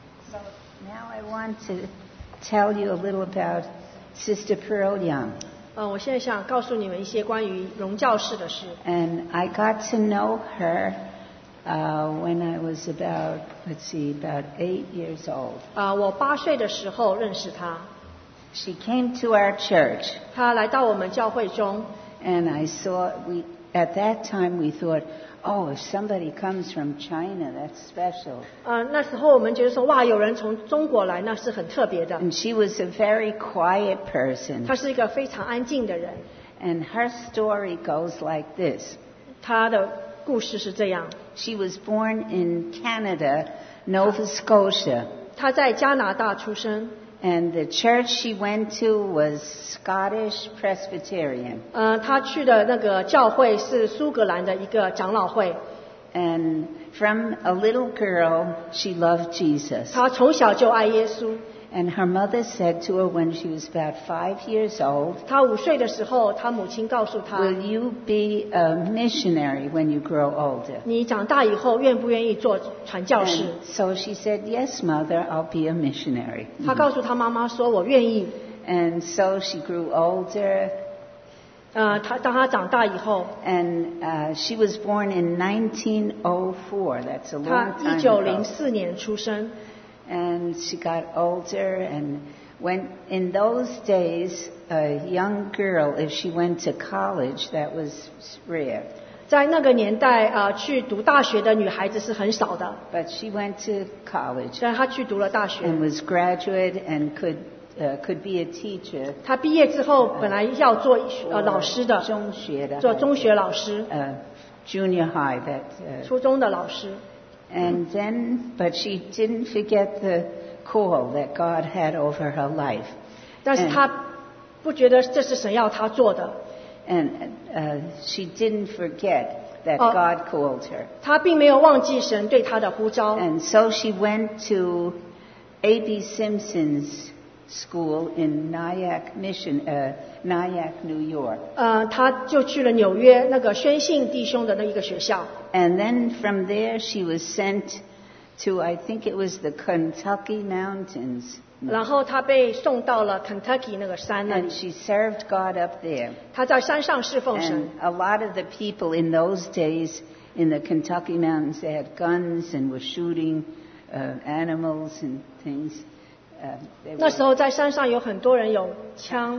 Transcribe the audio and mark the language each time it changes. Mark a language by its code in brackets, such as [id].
[en] So now I want to tell you a little about Sister Pearl Young. [zh] 我现在想告诉你们一些关于荣教士的事。 [en] And I got to know her, when I was about, let's see, about 8 years old. [zh] 我八岁的时候认识她。 [en] She came to our church. [zh] 她来到我们教会中。 [en] And I saw, at that time we thought, oh, if somebody comes from China, that's special. [zh] 那时候我们觉得说，哇，有人从中国来，那是很特别的。 [en] And she was a very quiet person. [zh] 她是一个非常安静的人。 [en] And her story goes like this. [zh] 她的故事是这样。 [en] She was born in Canada, Nova Scotia. [zh] 她在加拿大出生。 [en] And the church she went to was Scottish Presbyterian. [zh] 她去的那个教会是苏格兰的一个长老会。 [en] And from a little girl, she loved Jesus. [zh] 她从小就爱耶稣。 [en] And her mother said to her when she was about 5 years old, [zh] 她五岁的时候，她母亲告诉她， [en] Will you be a missionary when you grow older? [zh] 你长大以后愿不愿意做传教士？ [en] And so she said, yes, mother, I'll be a missionary. [zh] 她告诉她妈妈说，我愿意。 [en] And so she grew older. [zh] 当她长大以后， [en] And she was born in 1904. That's a long time ago. [zh] 她1904年出生。 [en] And she got older and went, in those days, a young girl, if she went to college, that was rare. [zh] 在那个年代，去读大学的女孩子是很少的。 [en] But she went to college. [zh] 但她去读了大学。 [en] And was graduate and could be a teacher. [zh] 她毕业之后本来要做老师的。中学的。做中学老师。 [en] Junior high, that, [zh] 初中的老师。 [en] And then, but she didn't forget the call that God had over her life. [zh] 但是她不觉得这是神要她做的。 [en] And she didn't forget that God called her. [zh] 她并没有忘记神对她的呼召。 [en] And so she went to A.B. Simpson's school in Nyack Mission, Nyack, New York. [zh] 她就去了纽约那个宣信弟兄的那一个学校。 [en] And then from there she was sent to, I think it was the Kentucky Mountains. [zh] 然后她被送到了 Kentucky 那个山那里。 [en] And she served God up there. [zh] 她在山上侍奉神。 [en] And a lot of the people in those days in the Kentucky Mountains, they had guns and were shooting animals and things. [zh] 那时候在山上有很多人有枪。